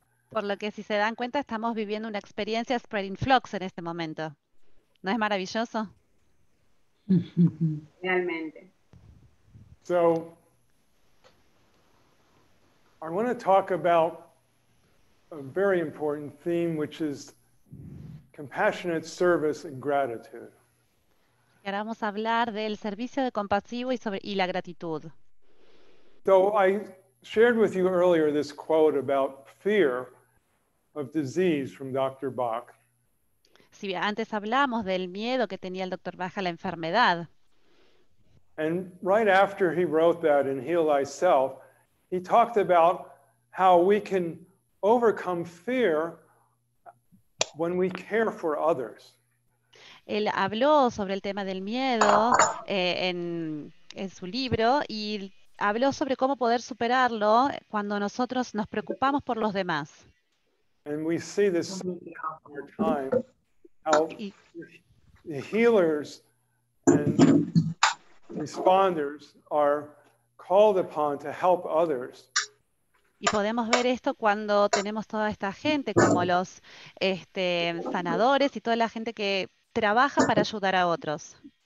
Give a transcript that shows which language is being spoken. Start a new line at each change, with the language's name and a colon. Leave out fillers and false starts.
Spanish: Por lo que si se dan cuenta, estamos viviendo una experiencia spreading phlox en este momento. ¿No es maravilloso? Realmente.
English: So I want to talk about a very important theme, which is compassionate service and gratitude.
Spanish: Y ahora vamos a hablar del servicio de compasivo y la gratitud.
English: So I shared with you earlier this quote about fear of disease from Dr. Bach.
Spanish: Si antes hablamos del miedo que tenía el Dr. Bach a la enfermedad.
English: And right after he wrote that in Heal Thyself, he talked about how we can overcome fear when we care for others.
Spanish: Él habló sobre el tema del miedo en su libro y habló sobre cómo poder superarlo cuando nosotros nos preocupamos por los demás.
English: And we see this over time, how the healers and responders are called upon to help others.
Spanish: Y podemos ver esto cuando tenemos toda esta gente, como los sanadores y toda la gente que trabaja para ayudar a otros.